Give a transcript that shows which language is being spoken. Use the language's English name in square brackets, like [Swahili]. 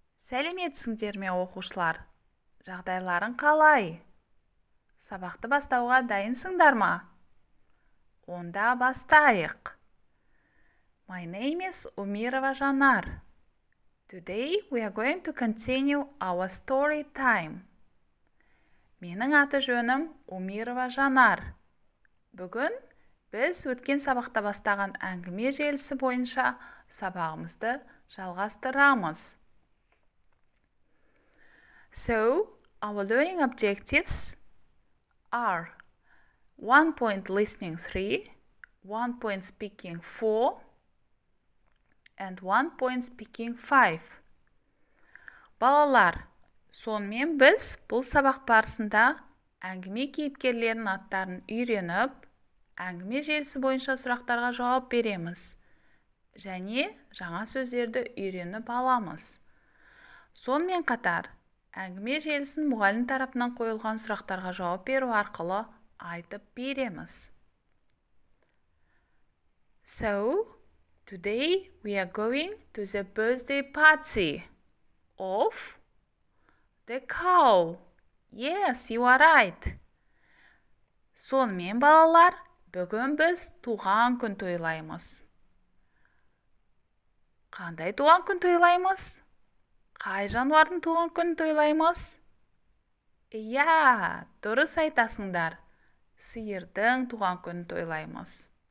[Kazakh] Сәлеметсіңдер ме, оқушылар? Жағдайларың қалай? Сабақты бастауға дайынсыңдар ма? Онда бастайық. [English] My name is Умирова Жанар. Today we are going to continue our story time. [Kazakh] Менің аты жөнім Умирова Жанар. Бүгін біз өткен сабақта бастаған әңгіме желісі бойынша сабағымызды жалғастырамыз. [English] So, our learning objectives are 1 point listening 3, 1 point speaking 4, and 1 point speaking 5. [Kazakh] Балалар, сонымен біз бұл сабақ барысында әңгіме кейіпкерлерінің аттарын үйреніп, әңгіме желісі бойынша сұрақтарға жауап береміз. Және жаңа сөздерді үйреніп аламыз. Сонымен қатар, әңгіме желісін мұғалім тарапынан қойылған сұрақтарға жауап беру арқылы айтып береміз. [English] So, today we are going to the birthday party of the cow. Yes, you are right. [Kazakh] Сонымен балалар, бүгін біз туған күн тойлаймыз. Қандай туған күн тойлаймыз? Қай жануардың туған күн тойлаймыз? Дұрыс айтасыңдар. Сиырдың туған күн тойлаймыз.